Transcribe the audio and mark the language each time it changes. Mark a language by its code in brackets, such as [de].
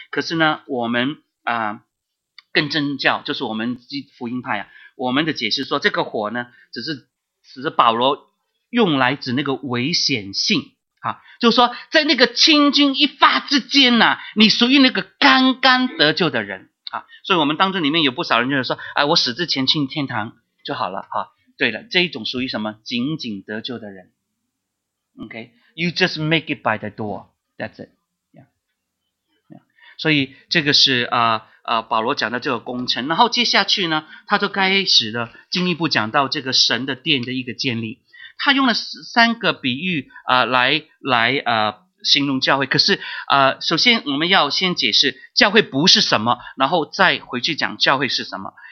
[zh] 可是呢，我们更真教，就是我们福音派啊，我们的解释说，这个火呢，只是保罗用来指那个危险性。啊，就是说在那个千钧一发之间呢，你属于那个刚刚得救的人啊。所以我们当中里面有不少人就是说，哎，我死之前去天堂就好了啊。对了，这一种属于什么？仅仅得救的人。 [en] Okay, you just make it by the door. That's it. Yeah. Yeah. [zh] 所以这个是保罗讲到这个工程，然后接下去呢，他就开始的进一步讲到这个神的殿的一个建立。他用了三个比喻来形容教会，可是首先我们要先解释教会不是什么，然后再回去讲教会是什么。